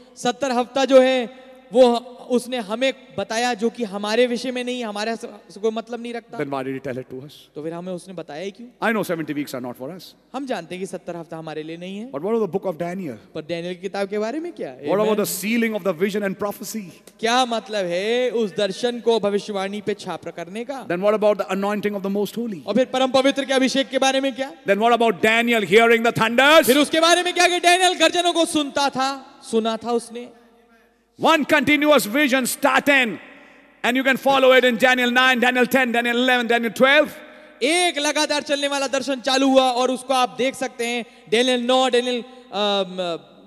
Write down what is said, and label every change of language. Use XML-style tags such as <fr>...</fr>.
<hi>70 हफ्ता जो है वो उसने हमें बताया जो कि हमारे विषय में नहीं, हमारा कोई मतलब नहीं रखता.</hi> <en>Then why did he tell it to us?</en> <hi>तो फिर हमें उसने बताया क्यों?</hi> <en>I know 70 weeks are not for us.</en> <hi>हम जानते हैं कि 70 हफ्ता हमारे लिए नहीं है.</hi> <en>But what about the book of Daniel?</en> <hi>पर डैनियल की किताब के बारे में क्या?</hi> <en>What about the sealing of the vision and prophecy?</en> <hi>क्या मतलब है उस दर्शन को भविष्यवाणी पे छाप करने का?</hi> <en>Then what about the anointing of the most holy?</en> <hi>और फिर परम पवित्र के अभिषेक के बारे में क्या?</hi> <en>Then what about Daniel hearing the thunders?</en> <hi>फिर उसके बारे में क्या कि डैनियल गर्जनों को सुना था उसने.</hi> <en>One continuous vision starting, and you can follow it in Daniel 9, Daniel 10, Daniel 11, Daniel 12.</en> <hi>एक लगातार चलने वाला दर्शन चालू हुआ और उसको आप देख सकते हैं Daniel 9, Daniel</hi>